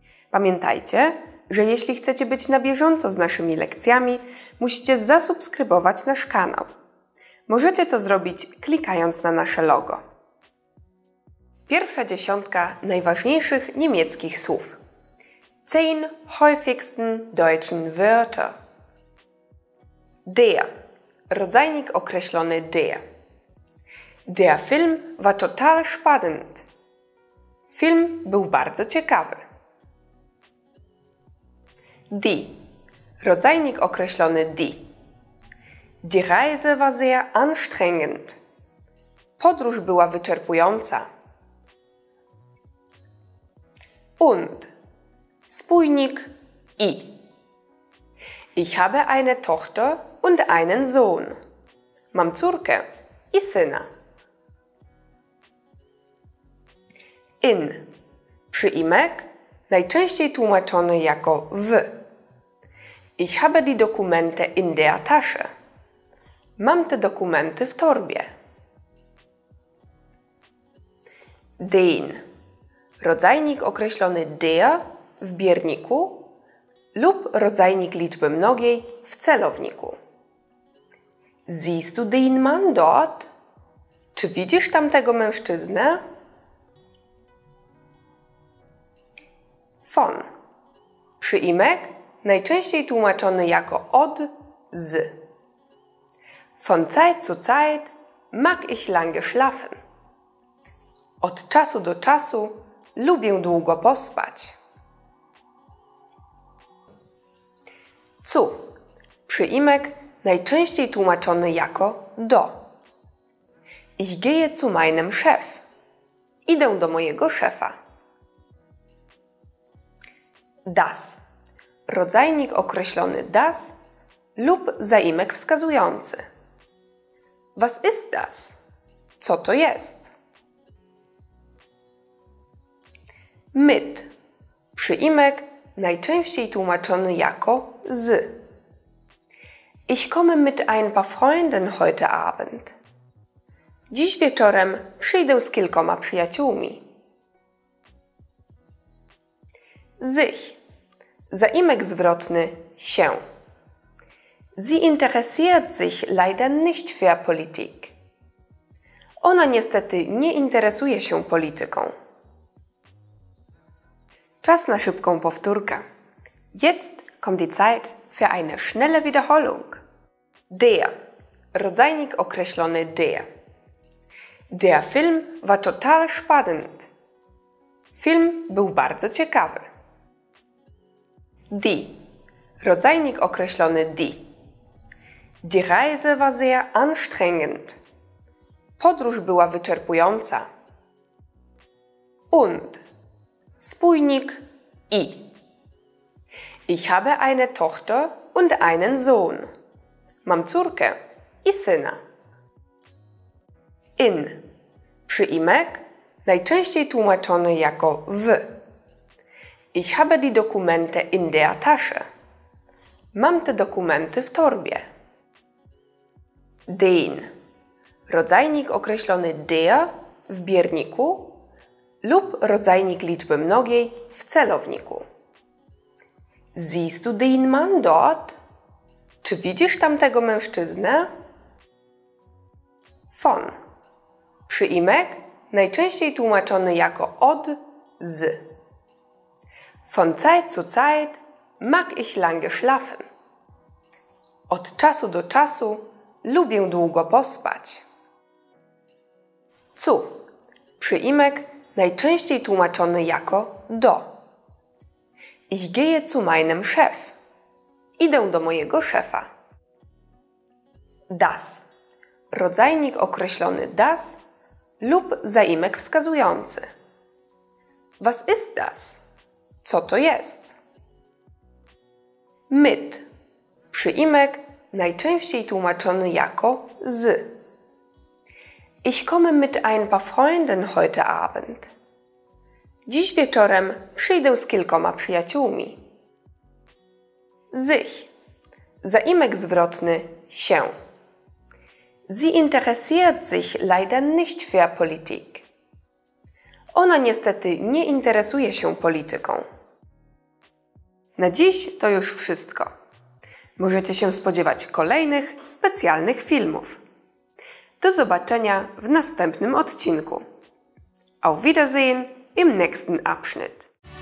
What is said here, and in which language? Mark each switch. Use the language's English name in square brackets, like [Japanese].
[Polish] Pamiętajcie, że jeśli chcecie być na bieżąco z naszymi lekcjami, musicie zasubskrybować nasz kanał. Możecie to zrobić klikając na nasze logo. Pierwsza dziesiątka najważniejszych niemieckich słów. [German] Zehn häufigsten deutschen Wörter. Der. [Polish] Rodzajnik określony [German] der. Der Film war total spannend. [Polish] Film był bardzo ciekawy. Die. Rodzajnik określony die. [German] Die Reise war sehr anstrengend. [Polish] Podróż była wyczerpująca. Und. Spójnik i. [German] Ich habe eine Tochter und einen Sohn. [Polish] Mam córkę i syna. [German] In. [Polish] Przyimek, najczęściej tłumaczony jako w. [German] Ich habe die Dokumente in der Tasche. [Polish] Mam te dokumenty w torbie. Den. Rodzajnik określony der w bierniku lub rodzajnik liczby mnogiej w celowniku. [German] Siehst du den Mann dort? [Polish] Czy widzisz tamtego mężczyznę? Von. Przyimek najczęściej tłumaczony jako od, z. [German] Von Zeit zu Zeit mag ich lange schlafen. [Polish] Od czasu do czasu lubię długo pospać. Zu. Przyimek najczęściej tłumaczony jako do. [German] Ich gehe zu meinem Chef. [Polish] Idę do mojego szefa. Das. Rodzajnik określony das lub zaimek wskazujący. [German] Was ist das? [Polish] Co to jest? Mit. Przyimek najczęściej tłumaczony jako z. [German] Ich komme mit ein paar Freunden heute Abend. [Polish] Dziś wieczorem przyjdę z kilkoma przyjaciółmi. Sich. Zaimek zwrotny się. [German] Sie interessiert sich leider nicht für Politik. [Polish] Ona niestety nie interesuje się polityką. Czas na szybką powtórkę. [German] Jetzt kommt die Zeit für eine schnelle Wiederholung. Der. [Polish] Rodzajnik określony [German] der. Der Film war total spannend. [Polish] Film był bardzo ciekawy. Die. Rodzajnik określony die. [German] Die Reise war sehr anstrengend. [Polish] Podróż była wyczerpująca. Und. Spójnik i. [German] Ich habe eine Tochter und einen Sohn. [Polish] Mam córkę i syna. [German] In. [Polish] Przyimek najczęściej tłumaczony jako w. [German] Ich habe die Dokumente in der Tasche. [Polish] Mam te dokumenty w torbie. Den. Rodzajnik określony der w bierniku lub rodzajnik liczby mnogiej w celowniku. [German] Siehst du den Mann dort? [Polish] Czy widzisz tamtego mężczyznę? Von. Przyimek najczęściej tłumaczony jako od, z. [German] Von Zeit zu Zeit mag ich lange schlafen. [Polish] Od czasu do czasu lubię długo pospać. Zu. Przyimek najczęściej tłumaczony jako do. [German] Ich gehe zu meinem Chef. [Polish] Idę do mojego szefa. Das. Rodzajnik określony das lub zaimek wskazujący. [German] Was ist das? [Polish] Co to jest? Mit. Przyimek najczęściej tłumaczony jako z. [German] Ich komme mit ein paar Freunden heute Abend. [Polish] Dziś wieczorem przyjdę z kilkoma przyjaciółmi. Sich. Zaimek zwrotny się. [German] Sie interessiert sich leider nicht für Politik. [Polish] Ona niestety nie interesuje się polityką. Na dziś to już wszystko. Możecie się spodziewać kolejnych specjalnych filmów. Do zobaczenia w następnym odcinku. [German] Auf Wiedersehen im nächsten Abschnitt.